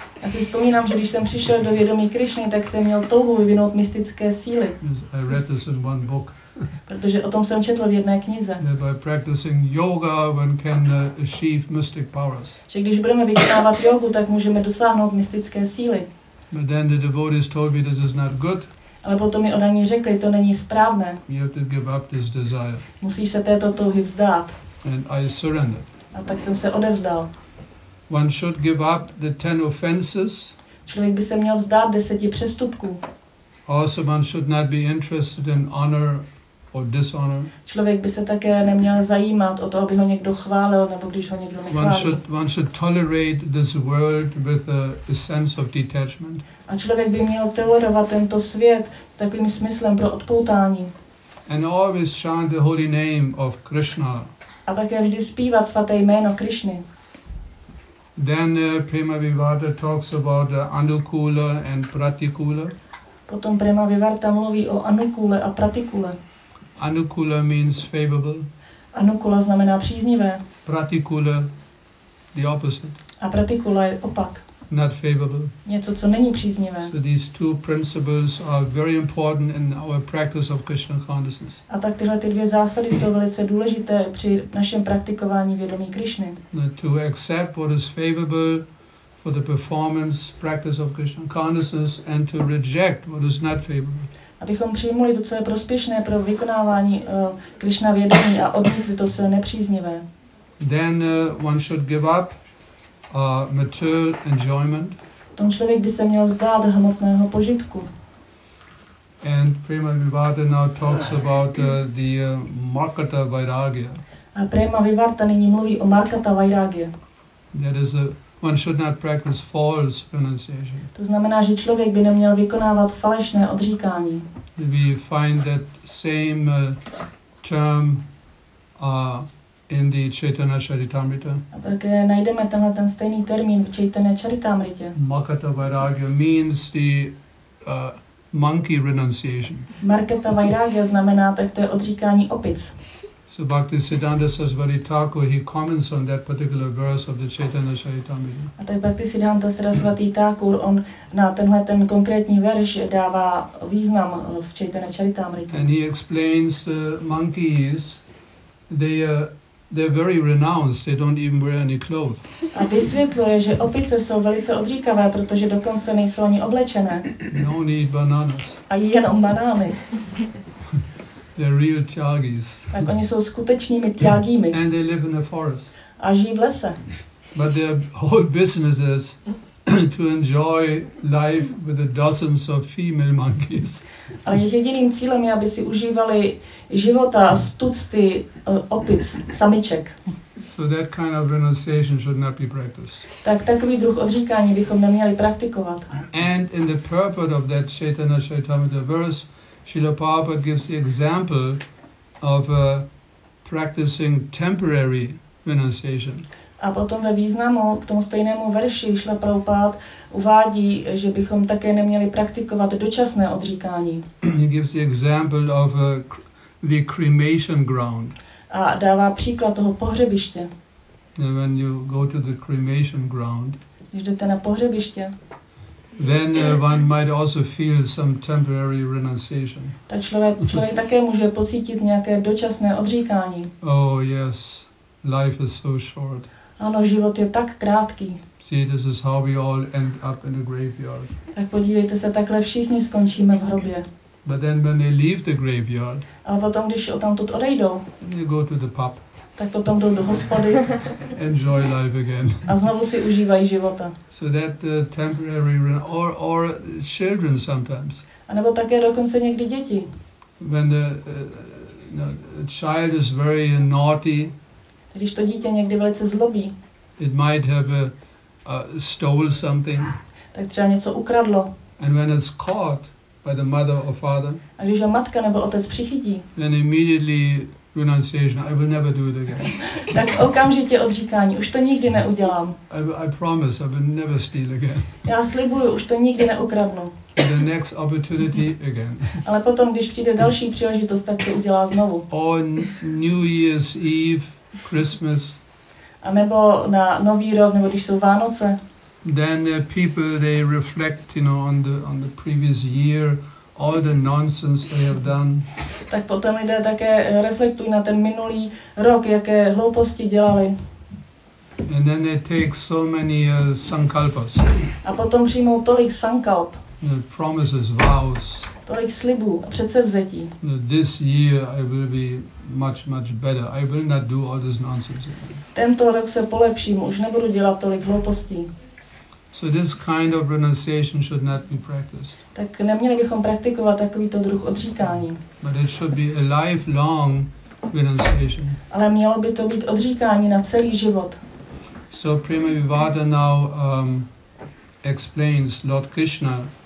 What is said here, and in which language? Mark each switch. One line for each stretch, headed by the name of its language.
Czech: Já si vzpomínám, že když jsem přišel do vědomí Krišny, tak jsem měl touhu vyvinout mystické síly.
English: Yes, I read this in one book.
Czech: Protože o tom jsem četl v jedné knize.
English: That by practicing yoga, one can achieve mystic powers.
Czech: Že když budeme vykonávat jogu, tak můžeme dosáhnout mystické síly.
English: But then the devotees told me this is not good.
Czech: Ale potom mi oni řekli, to není správné.
English: You have to give up this desire.
Czech: Musíš se této touhy vzdát.
English: And I surrendered.
Czech: A tak jsem se odevzdal.
English: One should give up the 10 offenses.
Czech: Člověk by se měl vzdát 10 přestupků.
English: Also one should not be interested in honor or dishonor.
Czech: Člověk by se také neměl zajímat o to, aby ho někdo chválil, nebo když ho někdo nechválil.
English: One should tolerate this world with a sense of detachment.
Czech: A člověk by měl tolerovat tento svět s takovým smyslem pro odpoutání.
English: And always chant the holy name of Krishna.
Czech: A také vždy zpívat svaté jméno Krišny.
English: Then Prema Vivarta talks about Anukula and Pratikula.
Czech: Potom Prema Vivarta mluví o Anukule a Pratikule.
English: Anukula means favorable.
Czech: Anukula znamená příznivé.
English: Pratikula the opposite.
Czech: A Pratikula je opak.
English: Not favorable.
Czech: Něco, co není příznivé.
English: So these two principles are very important in our practice of Krishna consciousness.
Czech: A tak tyhle ty dvě zásady jsou velice důležité při našem praktikování vědomí Krišny.
English: To accept what is favorable for the performance practice of Krishna consciousness and to reject what is not favorable.
Czech: Abychom přijmuli to, co je prospěšné pro vykonávání Krishna vědomí a odmítli to, co je nepříznivé.
English: Then one should give up material enjoyment.
Czech: Tom člověk by se měl vzdát hmotného požitku.
English: And Prema Vivarta now talks about the Markata Vairagya.
Czech: A Prema Vivarta nyní mluví o Markata Vairagya.
English: That is one should not practice false renunciation.
Czech: To znamená, že člověk by neměl vykonávat falešné odříkání.
English: We find that same term in the Chaitanya Charitamrita.
Czech: A také najdeme tenhle ten stejný termín v Chaitanya Charitamritě.
English: Markata Vairagya means the monkey renunciation.
Czech: Markata Vairagya znamená, tak to je odříkání opic.
English: So Bhakti Siddhanta Sarasvati Thakur, he comments on that particular verse of the Chaitanya Charitamrita.
Czech: A tak Bhakti Siddhanta Sarasvati Thakur, on na tenhle ten konkrétní verš dává význam v Chaitanya Charitamrita.
English: And he explains the monkeys, they're very renounced, they don't even wear any clothes.
Czech: A vysvětluje, že opice jsou velice odříkavé, protože dokonce nejsou ani oblečené.
English: They only eat bananas.
Czech: A jí jenom banány.
English: They're real tyagis.
Czech: Tak oni jsou skutečnými tyagimi.
English: And they live in the forest.
Czech: A žijí v lese.
English: But their whole business is to enjoy life with the dozens of female monkeys.
Czech: Ale jejich jediným cílem je, aby si užívali života s tucty opic, samiček.
English: So that kind of renunciation should not be practiced.
Czech: Tak takový druh odříkání bychom neměli praktikovat.
English: And in the purport of that Chaitanya Charitamrita verse, Srila Prabhupada gives the example of practicing temporary renunciation.
Czech: A potom ve významu k tomu stejnému verši Srila Prabhupada uvádí, že bychom také neměli praktikovat dočasné odříkání.
English: He gives the example of the cremation ground.
Czech: A dává příklad toho pohřebiště.
English: And when you go to the cremation ground,
Czech: když jdete na pohřebiště,
English: then one might also feel some temporary renunciation.
Czech: Tak člověk také může pocítit nějaké dočasné odříkání.
English: Oh yes, life is so short.
Czech: Ano, život je tak krátký.
English: See, this is how we all end up in a graveyard.
Czech: Tak podívejte se, takhle všichni skončíme v hrobě.
English: But then when they leave the graveyard,
Czech: ale potom, když odtamtud odejdou,
English: they go to the pub.
Czech: Tak potom jdou do hospody.
English: Enjoy life again.
Czech: A znovu si užívají života.
English: So that temporary or children sometimes.
Czech: A nebo také dokonce někdy děti.
English: When a child is very naughty.
Czech: Když to dítě někdy velice zlobí.
English: It might have stole something.
Czech: Tak třeba něco ukradlo.
English: And when it's caught by the mother or father.
Czech: A když ho matka nebo otec přichytí.
English: Then immediately renunciation. I will never do it again.
Czech: Tak okamžitě odříkání. Už to nikdy neudělám.
English: I promise I will never steal again.
Czech: Já slibuju, už to nikdy neukradnu.
English: The next opportunity again.
Czech: Ale potom, když přijde další příležitost, tak to udělá znovu.
English: On New Year's Eve, Christmas.
Czech: A nebo na Nový rok, nebo když jsou Vánoce.
English: Then people they reflect, you know, on the previous year. All the nonsense they have done.
Czech: Tak potom lidé také reflektují na ten minulý rok, jaké hlouposti dělali.
English: And then they take so many sankalpas.
Czech: A potom přijmou tolik sankalp.
English: The promises, vows.
Czech: Tolik slibů a předsevzetí.
English: This year I will be much, much better. I will not do all this nonsense again.
Czech: Tento rok se polepším, už nebudu dělat tolik hloupostí.
English: So this kind of renunciation should not be practiced.
Czech: Tak neměli bychom praktikovat takovýto druh odříkání.
English: But it should be a lifelong renunciation.
Czech: Ale mělo by to být odříkání na celý život.
English: So Prema Vivada now explains Lord Krishna.